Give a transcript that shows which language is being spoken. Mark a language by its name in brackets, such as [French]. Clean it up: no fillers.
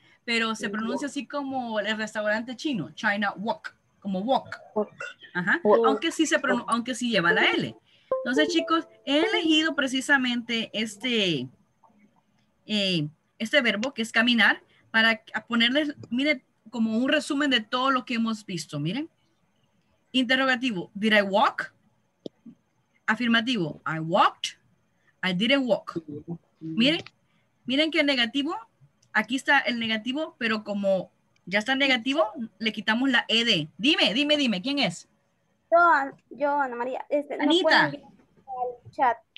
[Spanish] Pero se pronuncia así como el restaurante chino, China Walk, como walk. Ajá. Aunque sí se pronuncia, aunque sí lleva la L. Entonces, chicos, he elegido precisamente este, este verbo que es caminar para ponerles, miren, como un resumen de todo lo que hemos visto, miren. [English] Interrogativo, did I walk? Afirmativo, I walked. I didn't walk. [Spanish] Miren, miren que el negativo, aquí está el negativo, pero como ya está negativo, le quitamos la ED. Dime, dime, dime, ¿quién es? Yo, Ana María. Anita. No puedo el chat.